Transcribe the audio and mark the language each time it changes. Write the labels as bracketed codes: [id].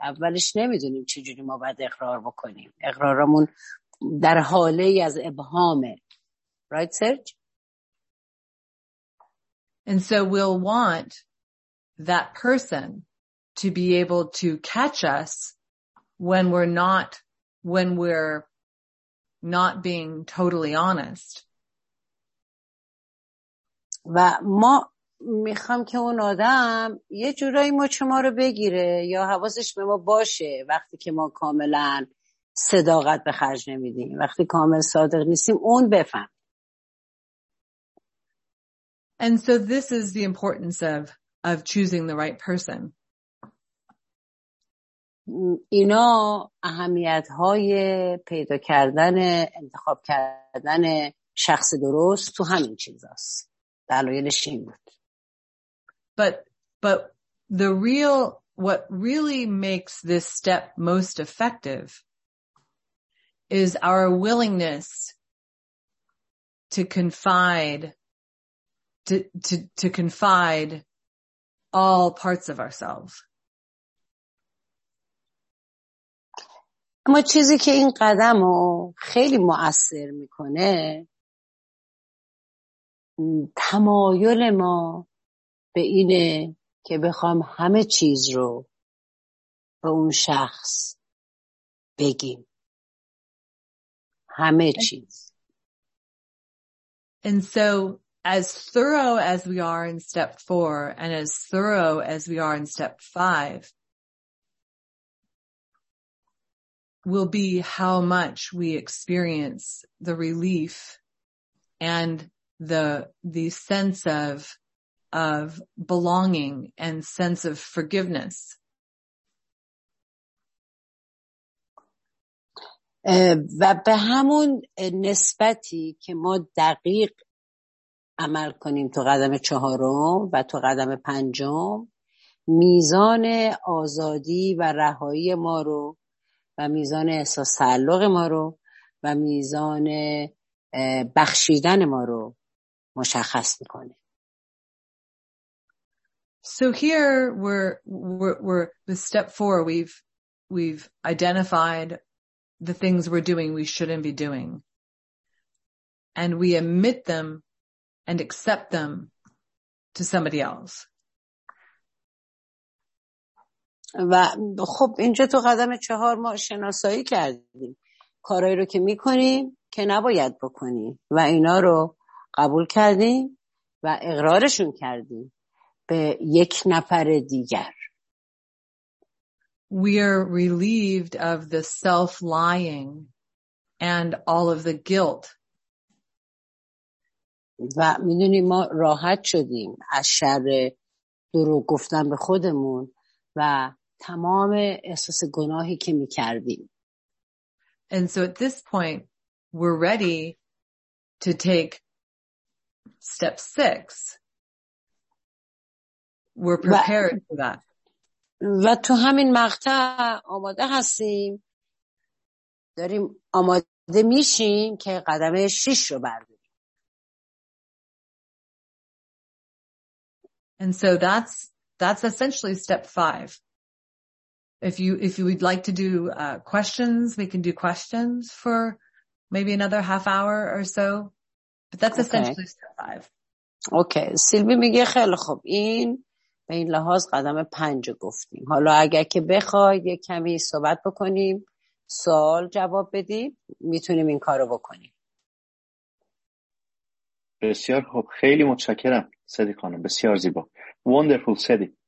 [fa] اولش نمیدونیم چجوری ما باید اقرار بکنیم. اقرارامون در حاله ای از ابهامه. [en] Right, Serge? And so we'll want that person to be able to catch us when we're not being totally honest. [fa] و ما میخوام که اون آدم یه جورایی ما شما رو بگیره یا حواسش به ما باشه وقتی که ما کاملا صداقت به خرج نمیدیم، وقتی کامل صادق نیستیم، اون بفهم. [en] And so this is the importance of choosing the right person. [fa] اینا اهمیت های پیدا کردن، انتخاب کردن شخص درست تو همین چیز هست. دلایلش این بود. [en] But the real, what really makes this step most effective is our willingness to confide all parts of ourselves. [fa] اما چیزی که این قدم رو خیلی مؤثر میکنه، تمایل ما به اینه که بخوام همه چیز رو به اون شخص بگیم. همه چیز. [en] And so as thorough as we are in step 4 and as thorough as we are in step 5 will be how much we experience the relief and the sense of belonging and sense of forgiveness. [fa] و به همون نسبتی که ما دقیق عمل کنیم تو قدم چهارم و تو قدم پنجم، میزان آزادی و رهایی ما رو و میزان احساس تعلق ما رو و میزان بخشیدن ما رو مشخص میکنه. [en] So here we're with step 4, we've identified the things we're doing we shouldn't be doing, and we admit them and accept them to somebody else. [fa] و خب اینجا تو قدم چهار ما شناسایی کردیم کارهایی رو که میکنیم که نباید بکنیم و اینا رو قبول کردیم و اقرارشون کردیم به یک نفر دیگر. [en] We are relieved of the self-lying and all of the guilt. [fa] و میدونیم ما راحت شدیم از شر دروغ گفتن به خودمون و تمام احساس گناهی که می‌کردیم. [en] And so at this point we're ready to take step 6. We're prepared for that. [fa] و تو همین مقطع آماده هستیم. داریم آماده میشیم که قدم 6 رو برداریم. [en] And so that's essentially step 5. If you would like to do questions, we can do questions for maybe another half hour or so. But that's essentially step 5. Okay. [fa] Silvi میگه خیلی خوب این به این لحاظ قدم 5 گفتیم. حالا اگر که بخوای یه کمی صحبت بکنیم، سوال جواب بدیم، میتونیم این کارو بکنیم. بسیار خوب. خیلی متشکرم. سدی خانم بسیار زیبا. Wonderful سدی.